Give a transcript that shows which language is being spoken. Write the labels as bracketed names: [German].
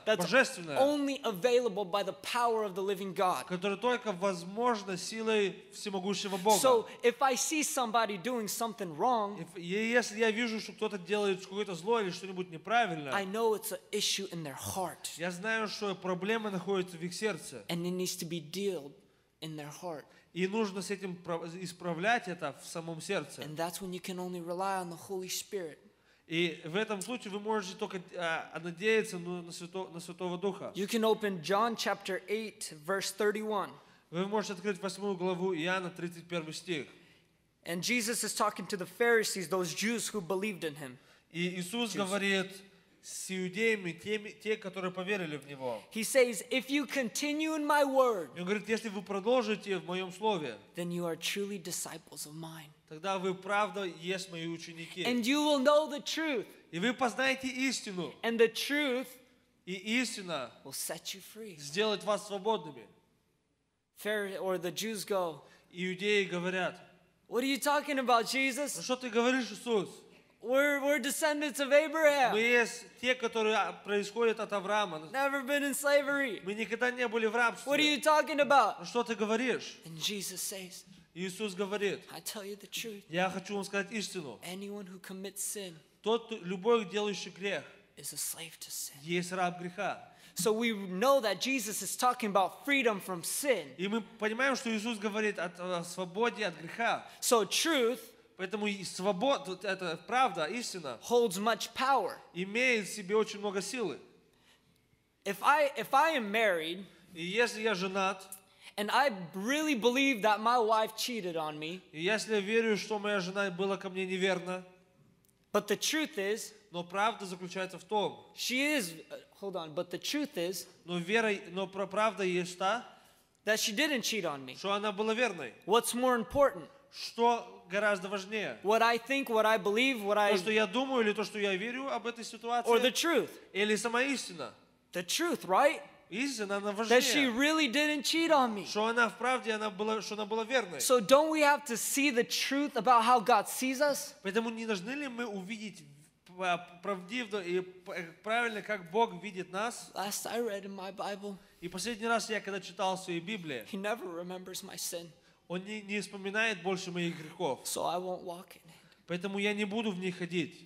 [English] that's [Russian] божественное, [English] only available by the power of the living God. [Russian] Которое только возможно силой всемогущего Бога. [English] So if I see somebody doing something wrong, [Russian] если я вижу, что кто-то делает какое-то зло или что-нибудь неправильное, [English] I know it's an issue in their heart. [Russian] Я знаю, что проблема находится в их сердце. [English] And it needs to be dealt in their heart. [Russian] И нужно с этим исправлять это в самом сердце. [English] And that's when you can only rely on the Holy Spirit. [Russian] И в этом случае вы можете только надеяться на Святого Духа. [English] You can open John chapter 8 verse 31. [Russian] Вы можете открыть 8 главу Иоанна 31 стих. [English] And Jesus is talking to the Pharisees, those Jews who believed in him. [Russian] И Иисус говорит с иудеями, те, которые поверили в Него. [English] He says, if you continue in my word, [Russian] Он говорит, если вы продолжите в Моем Слове, [English] then you are truly disciples of mine. [Russian] Тогда вы правда есть Мои ученики. [English] And you will know the truth. [Russian] И вы познаете истину. [English] And the truth [Russian] и истина [English] will set you free. [Russian] Сделает вас свободными. [English] Or the Jews go, [Russian] иудеи говорят, [English] what are you talking about, Jesus? [Russian] Что ты говоришь, Иисус? [English] We're descendants of Abraham. [Russian] Мы есть те, которые происходят от Авраама. [English] Never been in slavery. [Russian] Мы никогда не были в рабстве. [English] What are you talking about? [Russian] Что ты говоришь? [English] And Jesus says, [Russian] Иисус говорит, [English] I tell you the truth. [Russian] Я хочу вам сказать истину. [English] Anyone who commits sin, [Russian] тот любой делающий грех, [English] is a slave to sin. [Russian] Есть раб греха. [English] So we know that Jesus is talking about freedom from sin. [Russian] И мы понимаем, что Иисус говорит о свободе от греха. [English] So truth. [Russian] Поэтому свобода, это правда, истина, [English] holds much power. [Russian] Имеет в себе очень много силы. [English] If I am married, [Russian] и если я женат, [English] and I really believe that my wife cheated on me, [Russian] и если я верю, что моя жена была ко мне неверна, [English] but the truth is, [Russian] но правда заключается в том, [English] she is, hold on, but the truth is, [Russian] но вера, но правда есть та, [English] that she didn't cheat on me, [Russian] что она была верной. [English] What's more important? [Russian] Что гораздо важнее? [English] What I think, what I believe, what I... [Russian] То, что я думаю, или то, что я верю об этой ситуации? [English] Or the truth. [Russian] Или сама истина? [English] The truth, right? [Russian] Истина, она важнее. [English] That she really didn't cheat on me. [Russian] Что она в правде, что она была верной. [English] So don't we have to see the truth about how God sees us? [Russian] Поэтому не должны ли мы увидеть правдиво и правильно, как Бог видит нас? [English] Last I read in my Bible, [Russian] и последний раз я, когда читал в своей Библии, [English] He never remembers my sin. [Russian] Он не вспоминает больше моих грехов. [English] So I won't walk in it. [Russian] Поэтому я не буду в них ходить.